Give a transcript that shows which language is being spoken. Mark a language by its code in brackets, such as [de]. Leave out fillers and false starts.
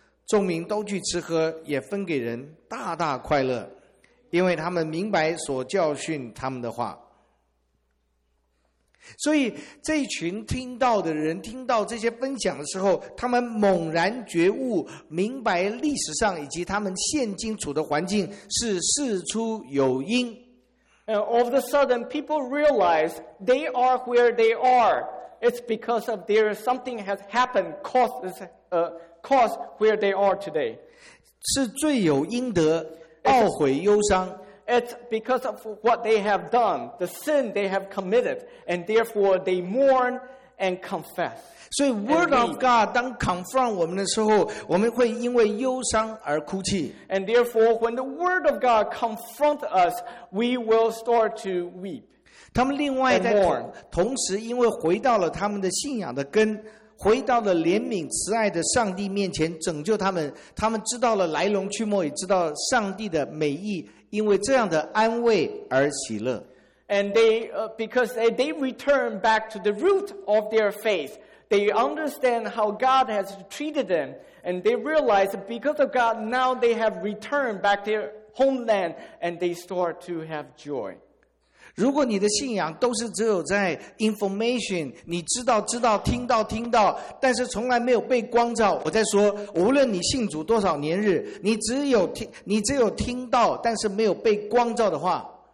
[zh] 众民都去吃喝，也分给人，大大快乐，因为他们明白所教训他们的话。所以这群听到的人听到这些分享的时候，他们猛然觉悟，明白历史上以及他们现今处的环境是事出有因。 [en] All of a sudden, people realize they are where they are. It's because of there something has happened caused where they are today. [zh] 是罪有应得，懊悔忧伤。 [en] It's because of what they have done, the sin they have committed, and therefore they mourn and confess. So, word of God, [zh] 当 confront 我们的时候，我们会因为忧伤而哭泣。 [en] And therefore, when the word of God confront us, we will start to weep. [zh] 他们另外在同时，因为回到了他们的信仰的根，回到了怜悯慈爱的上帝面前拯救他们，他们知道了来龙去脉，也知道上帝的美意。因为这样的安慰而喜乐。 [en] And because they return back to the root of their faith, they understand how God has treated them, and they realize because of God, now they have returned back to their homeland, and they start to have joy. [zh] 如果你的信仰都是只有在 information, 你知道知道听到听到，但是从来没有被光照，我在说无论你信主多少年日，你只有听到但是没有被光照的话。